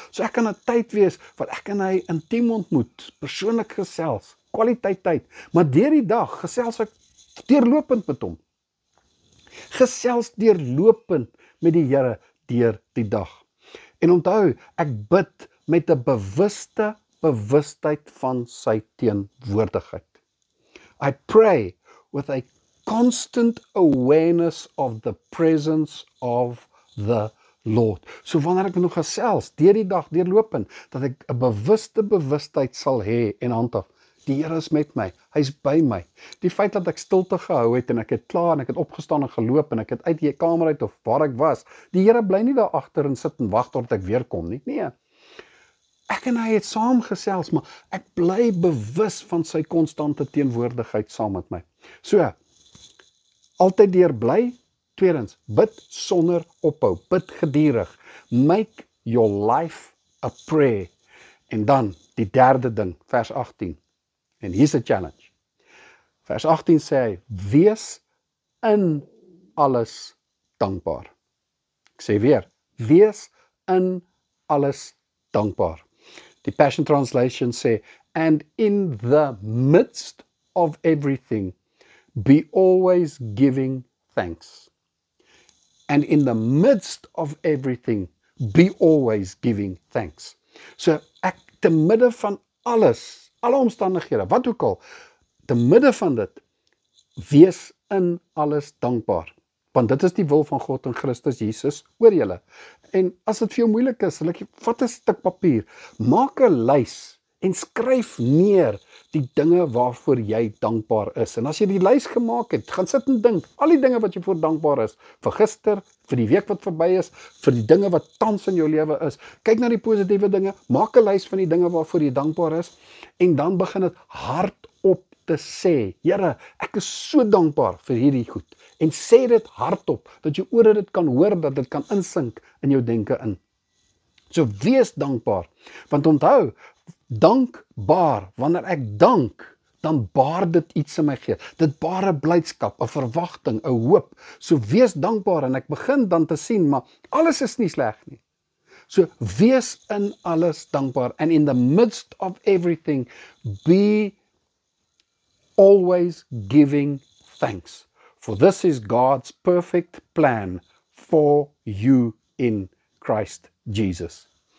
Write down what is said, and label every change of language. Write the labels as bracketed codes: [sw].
[af] So ek kan 'n tyd wees wat ek en hy intiem ontmoet, persoonlik gesels, kwaliteit tyd, maar deur die dag gesels ek deurlopend met hom. Gesels deurlopend met die Here deur die dag. En onthou, ek bid met 'n bewuste bewustheid van sy teenwoordigheid. [en] I pray with a constant awareness of the presence of the Lord. [af] So wanneer ek nog gesels, deur die dag, deurlopend, dat ek 'n bewuste bewustheid sal hê en handhaf. Die Here is met my, hy is by my. Die feit dat ek stilte gehou het en ek het klaar en ek het opgestaan en geloop en ek het uit die kamer uit of waar ek was, die Here bly nie daar agter en sit en wag tot ek weer kom nie. Nee. Ek en hy het saam gesels, maar ek bly bewus van sy konstante teenwoordigheid saam met my. So, altyd deur bly. Tweedens, bid sonder ophou, bid gedurig. [en] Make your life a prayer. [af] En dan die derde ding, vers 18. En hier's 'n challenge. Vers 18 sê hy, wees in alles dankbaar. Ek sê weer, wees in alles dankbaar. Die Passion Translation sê, [en] and in the midst of everything, be always giving thanks. And in the midst of everything, be always giving thanks. [af] So, ek, te midde van alles, alle omstandighede, wat ook al, te midde van dit, wees in alles dankbaar. Want dit is die wil van God en Christus Jesus oor julle. En as dit vir jou moeilik is, vat 'n stuk papier, maak 'n lys en skryf neer die dinge waarvoor jy dankbaar is. En as jy die lys gemaak het, gaan sit en dink, al die dinge wat jy voor dankbaar is, vir gister, vir die week wat verby is, vir die dinge wat tans in jou lewe is, kyk na die positiewe dinge, maak 'n lys van die dinge waarvoor jy dankbaar is, en dan begin het hardop te sê, Here, ek is so dankbaar vir hierdie goed, en sê dit hardop, dat jy oor dit kan hoor, dat dit kan insink in jou denke in. So wees dankbaar, want onthou, dankbaar, wanneer ek dank, dan baar dit iets in my gees. Dit baar 'n blydskap, 'n verwagting, 'n hoop. So wees dankbaar en ek begin dan te sien, maar alles is nie sleg nie. So wees in alles dankbaar. [en] And in the midst of everything, be always giving thanks. For this is God's perfect plan for you in Christ Jesus.